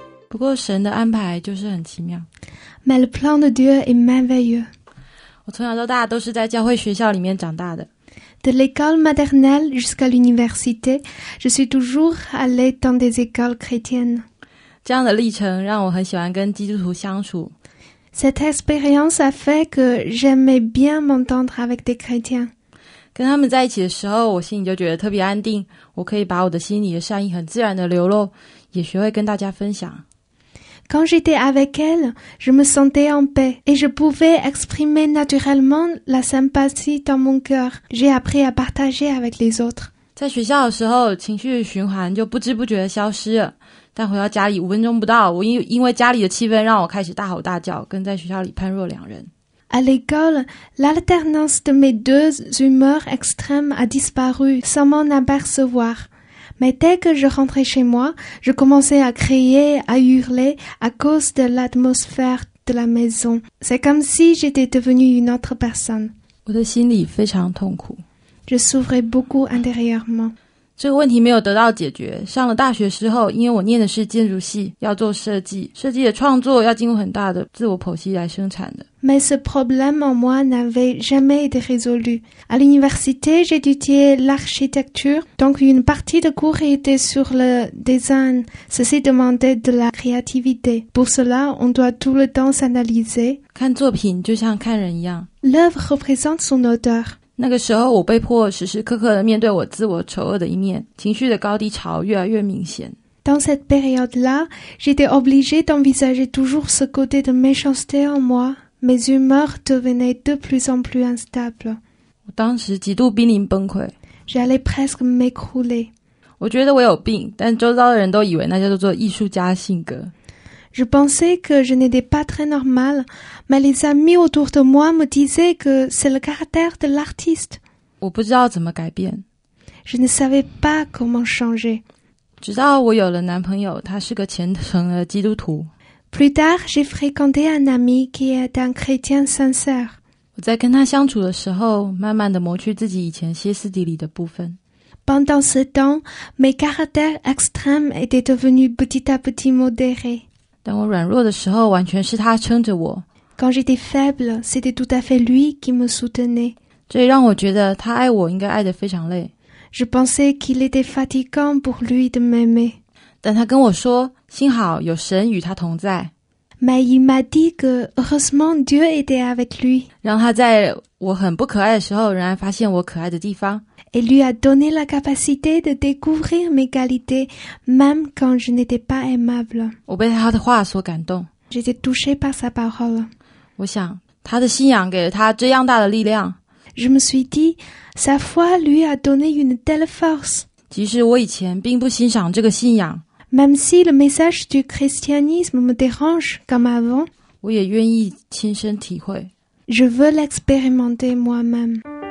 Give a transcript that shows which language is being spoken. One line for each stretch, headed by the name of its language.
French: Mais le plan de Dieu est merveilleux.
Chinese: 我从小到大都是在教会学校里面长大的。
French: De l'école maternelle jusqu'à l'université, je suis toujours allée dans des écoles chrétiennes.
Chinese: 这样的历程让我很喜欢跟基督徒相处。
French: Cette expérience a fait que j'aimais bien m'entendre avec des chrétiens.
Chinese: 跟他们在一起的时候，我心里就觉得特别安定，我可以把我的心里的善意很自然的流露，也学会跟大家分享。
French: Quand j'étais avec elle, je me sentais en paix et je pouvais exprimer naturellement la sympathie dans mon cœur. J'ai appris à partager avec les autres.
Chinese: 在学校的时候，情绪循环就不知不觉地消失了。但回到家里，五分钟不到，我因为家里的气氛让我开始大吼大叫，跟在学校里判若两人。
French: À l'école, l'alternance de mes deux humeurs extrêmes a disparu sans m'en apercevoir. Mais dès que je rentrais chez moi, je commençais à crier, à hurler à cause de l'atmosphère de la maison. C'est comme si j'étais devenue une autre personne.
Chinese: 我的心里非常痛苦。
French: Je souffrais beaucoup intérieurement.
Chinese: 这个问题没有得到解决。上了大学之后，因为我念的是建筑系，要做设计，设计的创作要经过很大的自我剖析来生产的。
French: Mais ce problème en moi n'avait jamais été résolu. À l'université, j'étudiais l'architecture, donc une partie de cours était sur le design. Ceci demandait de la créativité. Pour cela, on doit tout le temps s'analyser.
Chinese: 看作品就像看人一样。
French: L'œuvre représente son auteur.
Chinese: 那个时候，我被迫时时刻刻地面对我自我丑恶的一面，情绪的高低潮越来越明显。
French: Dans cette période-là, j'étais obligée d'envisager toujours ce côté de méchanceté en moi. Mes humeurs devenaient de plus en plus instables.
Chinese: 我当时极度濒临崩溃。
French: J'allais presque m'écrouler.
Chinese: 我觉得我有病，但周遭的人都以为那叫做艺术家性格。
French: Je pensais que je n'étais pas très normal, mais les amis autour de moi me disaient que c'est le caractère de l'artiste.
Chinese: 我不知道怎么改变。
French: Je ne savais pas comment changer.
Chinese: 直到我有了男朋友，他是个虔诚的基督徒。
French: Plus tard, j'ai fréquenté un ami qui est un chrétien sincère.
Chinese: 我在跟他相处的时候，慢慢地磨去自己以前歇斯底里的部分。
French: Pendant ce temps, mes caractères extrêmes étaient devenus petit à petit modérés.
Chinese: 当我软弱的时候，完全是他撑着我。
French: Quand j'étais faible, c'était tout à fait lui qui me soutenait.
Chinese: 这也让我觉得他爱我应该爱得非常累。
French: Je pensais qu'il était fatigant pour lui de m'aimer.
Chinese: 但他跟我说，幸好有神与他同在。
French: Mais il m'a dit que heureusement Dieu était avec lui.
Chinese: 让他在我很不可爱的时候，仍然发现我可爱的地方。
French: Et lui a donné la capacité de découvrir mes qualités, même quand je n'étais pas aimable.
Chinese: 我被他的话所感动。
French: J'étais touchée par sa parole.
Chinese: 我想，他的信仰给了他这样大的力量。
French: Je me suis dit, sa foi lui a donné une telle force.
Chinese: 即使我以前并不欣赏这个信仰，
French: Même si le message du christianisme me dérange comme avant,
Chinese: 我也愿意亲身体会。
French: Je veux l'expérimenter moi-même.